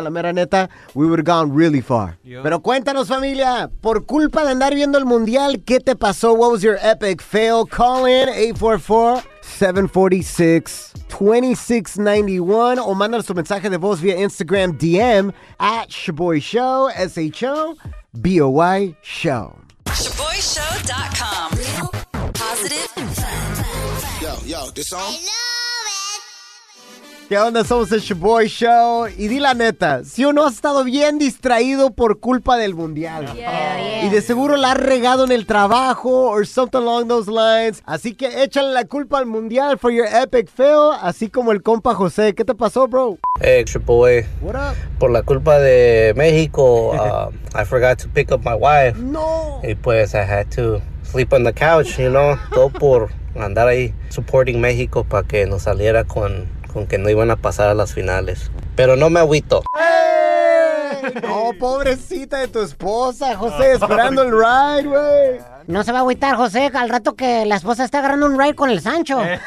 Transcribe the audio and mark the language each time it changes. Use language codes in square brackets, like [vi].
[es] La mera neta, [en] we would have gone really far. Yep. [es] Pero cuéntanos, familia, por culpa de andar viendo el Mundial, ¿qué te pasó? [en] What was your epic fail? Call in 844-746-2691 [es] o mándanos tu mensaje de voz vía Instagram [en] DM at Shaboy Show, S-H-O. B-O-Y Show. ShaboyShow.com. Positive fun. Yo, this song? I love it. [es] ¿Qué onda? Somos el Shaboy Show. Y di la neta, si uno ha estado bien distraído por culpa del Mundial. [en] Yeah. [es] Y de seguro la ha regado en el trabajo [en] or something along those lines. [es] Así que échale la culpa al Mundial [en] for your epic fail, [es] así como el compa José. ¿Qué te pasó, bro? [en] Hey, Shaboy. What up? [es] Por la culpa de México, [en] I forgot to pick up my wife. [es] No. Y pues [en] I had to sleep on the couch, you know. [es] Todo por andar ahí supporting México para que nos saliera con que no iban a pasar a las finales. Pero no me agüito. ¡Hey! No, pobrecita de tu esposa, José, esperando el ride, güey. No se va a agüitar, José, al rato que la esposa esté agarrando un ride con el Sancho.